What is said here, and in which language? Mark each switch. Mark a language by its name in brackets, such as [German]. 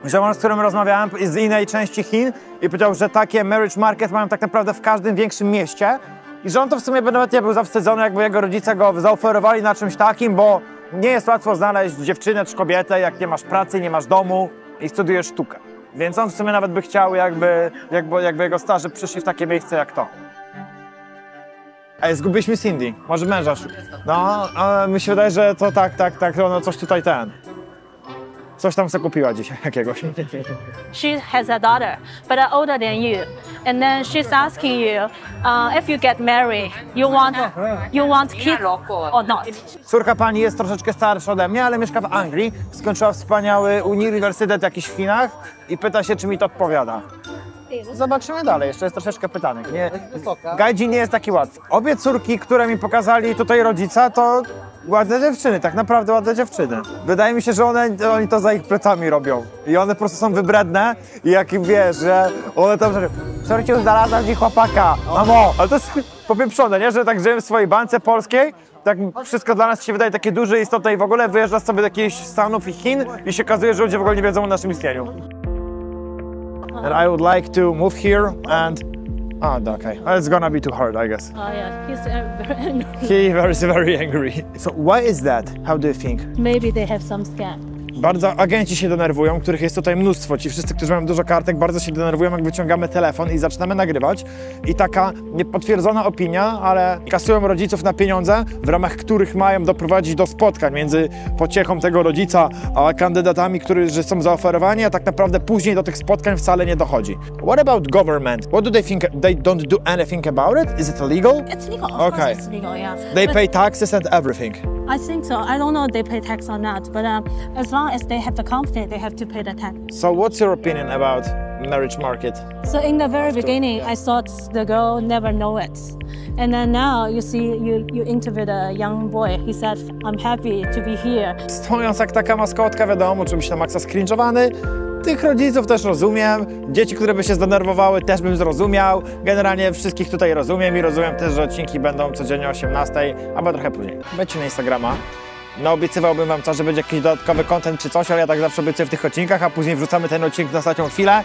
[Polish] Ziomar, z którym rozmawiałem, jest z innej części Chin i powiedział, że takie marriage market mają tak naprawdę w każdym większym mieście i że on to w sumie nawet nie był zawstydzony, jakby jego rodzice go zaoferowali na czymś takim, bo nie jest łatwo znaleźć dziewczynę czy kobietę, jak nie masz pracy, nie masz domu i studiujesz sztukę. Więc on w sumie nawet by chciał, jakby jego starzy przyszli w takie miejsce jak to. Ej, zgubiliśmy Cindy. Może męża szuka. No, mi się wydaje, że to tak, ono coś tutaj ten. Coś tam sobie kupiła dzisiaj jakiegoś. [English] She has a daughter, but older than you. And then she's asking you, if you get married, you want kids or not? [Polish] Córka pani jest troszeczkę starsza ode mnie, ale mieszka w Anglii. Skończyła wspaniały uniwersytet jakiś w Chinach i pyta się, czy mi to odpowiada. Zobaczymy dalej, jeszcze jest troszeczkę pytanek. Nie, Gajdzi nie jest taki łatwy. Obie córki, które mi pokazali tutaj rodzica, to ładne dziewczyny, tak naprawdę ładne dziewczyny. Wydaje mi się, że oni to za ich plecami robią. I one po prostu są wybredne i jak im wiesz, że one tam... Córki, znalazłam ci chłopaka, mamo! Ale to jest popieprzone, nie? Że tak żyłem w swojej bańce polskiej, tak wszystko dla nas się wydaje takie duże, istotne i w ogóle wyjeżdża sobie do jakichś Stanów i Chin i się okazuje, że ludzie w ogóle nie wiedzą o naszym istnieniu. [English] And I would like to move here and... Oh, okay. It's gonna be too hard, I guess. Oh, yeah. He's very angry. He is very angry. So why is that? How do you think? Maybe they have some scam. [Polish] Bardzo agenci się denerwują, których jest tutaj mnóstwo. Ci wszyscy, którzy mają dużo kartek, bardzo się denerwują, jak wyciągamy telefon i zaczynamy nagrywać. I taka niepotwierdzona opinia, ale kasują rodziców na pieniądze, w ramach których mają doprowadzić do spotkań między pociechą tego rodzica a kandydatami, którzy są zaoferowani, a tak naprawdę później do tych spotkań wcale nie dochodzi. [English] What about government? What do they think? They don't do anything about it? Is it illegal? It's legal, of okay. course it's legal, yeah. They pay taxes and everything. I think so. I don't know if they pay tax or not, but as long as they have the confidence, they have to pay the tax. So what's your opinion about marriage market? So in the very beginning, yeah. I thought the girl never know it. And then now you see, you interviewed a young boy. He said, I'm happy to be here. [Polish] Stojąc jak taka maskotka, wiadomo, czymś na maksa skrinżowany. Tych rodziców też rozumiem, dzieci, które by się zdenerwowały, też bym zrozumiał. Generalnie wszystkich tutaj rozumiem i rozumiem też, że odcinki będą codziennie o 18, albo trochę później. Będźcie na Instagrama. No obiecywałbym wam coś, że będzie jakiś dodatkowy content czy coś, ale ja tak zawsze obiecuję w tych odcinkach, a później wrzucamy ten odcinek na ostatnią chwilę.